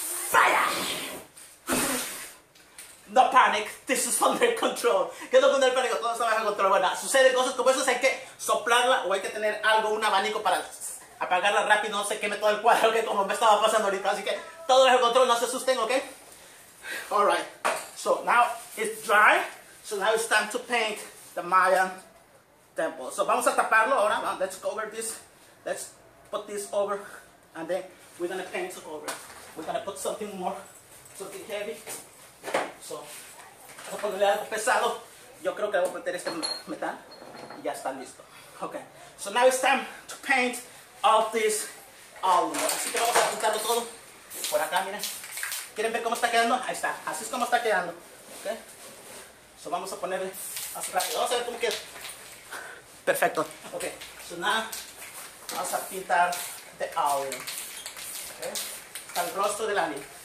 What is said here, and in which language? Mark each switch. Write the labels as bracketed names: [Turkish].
[English] Fire. No panic, this is under control. [Spanish] ¿Qué es lo que es el pánico? Todo está bajo control. Bueno, sucede cosas como esas, hay que soplarla o hay que tener algo, un abanico para apagarla rápido, no se queme todo el cuadro, que como me estaba pasando ahorita. Así que todo bajo control, no se asusten, ¿ok? [English] Alright, so now it's dry, so now it's time to paint the Mayan temple. So [Spanish] vamos a taparlo ahora, [English] let's cover this, let's put this over, and then we're gonna paint over. We're gonna put something more, something heavy. So, [Spanish] vamos a ponerle algo pesado. Yo creo que le voy a meter este metal y ya está listo. [English] Okay. So now it's time to paint all this album. [Spanish] Así que vamos a pintarlo todo por acá, miren. ¿Quieren ver cómo está quedando? Ahí está. Así es como está quedando. Okay. So vamos a ponerle más rápido. Vamos a ver cómo queda. Perfecto. Okay. [English] So now [Spanish] vamos a pintar [English] the album. [Spanish] Okay. Al rostro del alien.